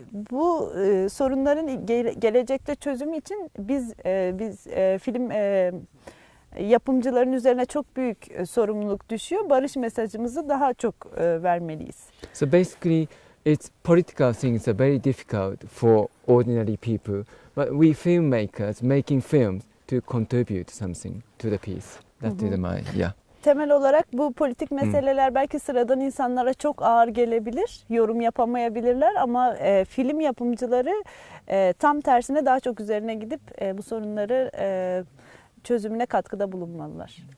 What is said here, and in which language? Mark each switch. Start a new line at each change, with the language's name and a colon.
Turkish: Bu sorunların gelecekte çözümü için biz film yapımcıların üzerine çok büyük sorumluluk düşüyor. Barış mesajımızı daha çok vermeliyiz.
English: So basically, it's political things are very difficult for ordinary people, but we filmmakers making films to contribute something to the peace. That's the mind, yeah.
Turkish: Temel olarak bu politik meseleler belki sıradan insanlara çok ağır gelebilir, yorum yapamayabilirler ama film yapımcıları tam tersine daha çok üzerine gidip bu sorunları çözümüne katkıda bulunmalılar.